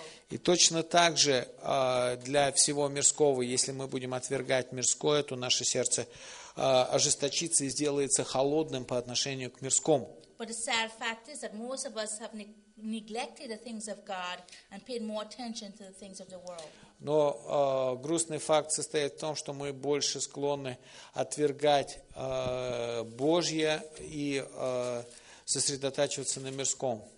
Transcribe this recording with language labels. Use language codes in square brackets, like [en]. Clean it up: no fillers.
[ru] И точно так же для всего мирского, если мы будем отвергать мирское, то наше сердце ожесточится и сделается холодным по отношению к мирскому. [en] But the sad fact is that most of us have neglected the things of God and paid more attention to the things of the world. [ru] Но грустный факт состоит в том, что мы больше склонны отвергать Божье и сосредотачиваться на мирском.